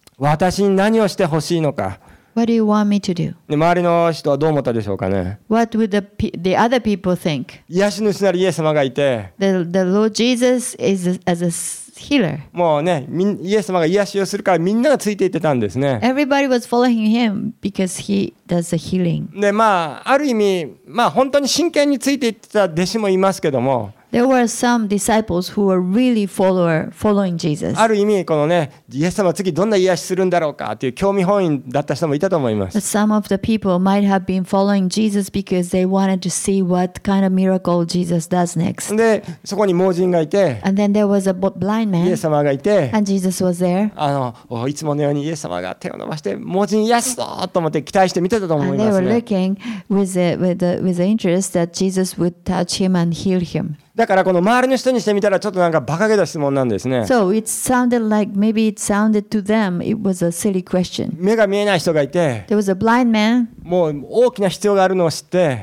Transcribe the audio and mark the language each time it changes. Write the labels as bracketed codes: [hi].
[ja] 私に何をしてほしいのか。 [en] What do you want me to do? [ja] で、周りの人はどう思ったでしょうかね。 [en] What would the other people think? [ja] 癒し主なるイエス様がいて、 [en] the Lord Jesus is as a healer. [ja] もうね、イエス様が癒しをするからみんながついていってたんですね。 [en] Everybody was following him because he does the healing. [ja] で、まあある意味、まあ本当に真剣についていってた弟子もいますけども。 [en] There were some disciples who were really following Jesus. [ja] ある意味このね、イエス様次どんな癒しするんだろうかという興味本位だった人もいたと思います。 [en] But some of the people might have been following Jesus because they wanted to see what kind of miracle Jesus does next. [ja] で、そこに盲人がいて、 [en] And then there was a blind man. [ja] イエス様がいて、 [en] And Jesus was there. [ja] あの、いつものようにイエス様が手を伸ばして盲人癒すぞと思って期待して見てたと思いますね。 [en] And they were looking with the interest that Jesus would touch him and heal him. [ja] だからこの周りの人にしてみたらちょっとなんかバカげた質問なんですね。 [en] So it sounded like maybe it sounded to them it was a silly question. [ja] 目が見えない人がいて、 [en] There was a blind man. [ja] もう大きな必要があるのを知って、